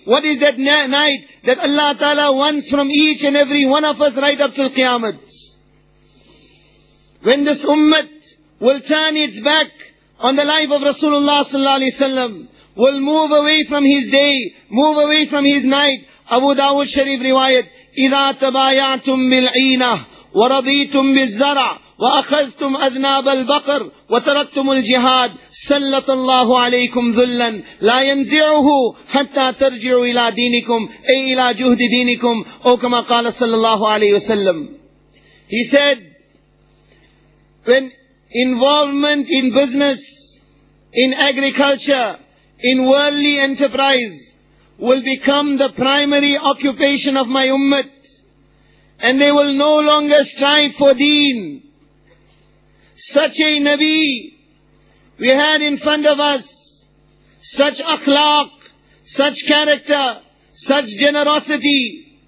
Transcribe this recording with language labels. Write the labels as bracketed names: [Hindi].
[English] What is that night that Allah Ta'ala wants from each and every one of us right up till Qiyamah? When this ummah will turn its back on the life of Rasulullah sallallahu alaihi wasallam, will move away from his day, move away from his night. [Arabic] Abu Dawud Sharif riwayat, إِذَا تَبَايَعْتُمْ بِالْعِينَةِ وَرَضِيْتُمْ بِالزَّرَعِ وَأَخَذْتُمْ أَذْنَابَ الْبَقَرِ وَتَرَكْتُمُ الْجِهَادِ سَلَّطَ اللَّهُ عَلَيْكُمْ ذُلًّا لَا يَنْزِعُهُ حَتَّى تَرْجِعُوا إِلَى دِينِكُمْ أَيْ إِلَى جُهْدِ دِينِكُمْ أَوْ كَمَا قَالَ صَلَّى اللَّهُ عَلَيْهِ وَسَلَّمْ. [English] He said, when involvement in business, in agriculture, in worldly enterprise will become the primary occupation of my ummah, and they will no longer strive for deen, such a Nabi we had in front of us, such akhlaq, such character, such generosity,